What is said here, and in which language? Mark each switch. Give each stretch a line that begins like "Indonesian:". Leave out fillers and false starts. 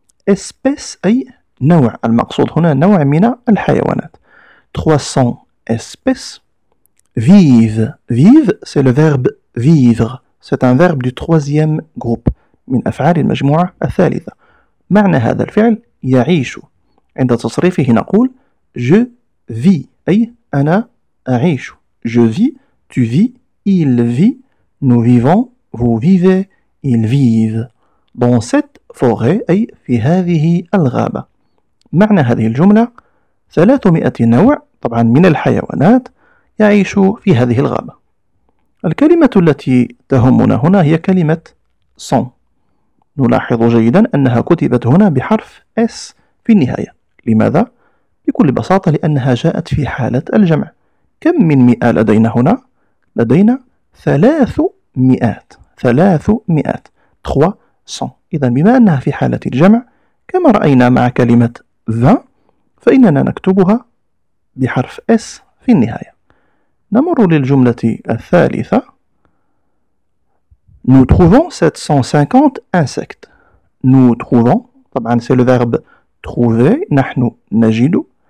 Arabic: espèces أي نوع، المقصود هنا نوع من الحيوانات.
French: 300 espèces vivent. vivent c'est le verbe vivre. c'est un verbe du troisième groupe
Arabic: من أفعال المجموعة الثالثة. معنى هذا الفعل يعيش. عند تصريفه نقول
French: je vis
Arabic: أي أنا أعيش.
French: je vis, tu vis, il vit, nous vivons, vous vivez, ils vivent. dans cette forêt
Arabic: أي في هذه الغابة. معنى هذه الجملة 300 نوع طبعا من الحيوانات يعيش في هذه الغابة. الكلمة التي تهمنا هنا هي كلمة 100. نلاحظ جيدا أنها كتبت هنا بحرف S في النهاية. لماذا؟ بكل بساطة لأنها جاءت في حالة الجمع. كم من 100 لدينا هنا؟ لدينا 300. 300 300. إذن بما أنها في حالة الجمع كما رأينا مع كلمة ذا فإننا نكتبها بحرف S في النهاية. نمر للجملة الثالثة.
French: Nous trouvons 750 insectes. Nous trouvons طبعا c'est le verbe trouver،
Arabic: نحن نجد.